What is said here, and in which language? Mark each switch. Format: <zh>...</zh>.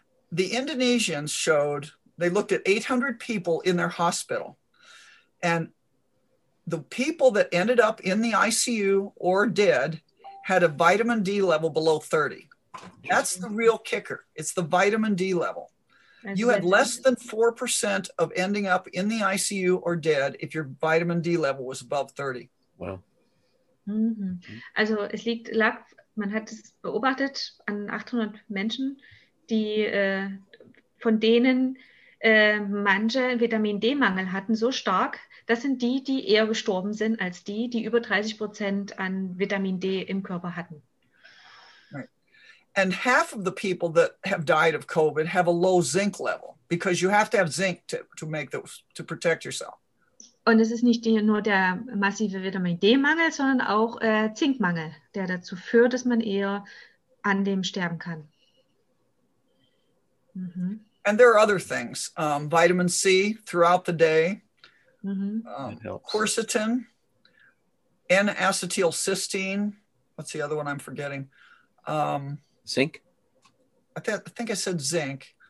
<en>The Indonesians showed, they looked at 800 people in their hospital and the people that ended up in the ICU or dead had a vitamin D level below 30. That's the real kicker. It's the vitamin D level. You had less than 4% of ending up in the ICU or dead if your vitamin D level was above 30. Wow. Mm-hmm.</en> <de>Also es liegt, man hat es beobachtet an 800 Menschen, die von denen manche Vitamin D-Mangel hatten, so stark. Das sind die, die eher gestorben sind, als die, die über 30% an Vitamin D im Körper hatten.</de> <en>Right. And half of the people that have died of COVID have a low zinc level, because you have to have zinc to protect yourself.</en> <de>Und es ist nicht nur der massive Vitamin D-Mangel, sondern auch Zinkmangel, der dazu führt, dass man eher an dem sterben kann. Mhm.</de> <en>And there are other things. Vitamin C throughout the day. Mm-hmm. Quercetin, N-acetylcysteine. What's the other one I'm forgetting? Zinc? I think I said zinc.</en>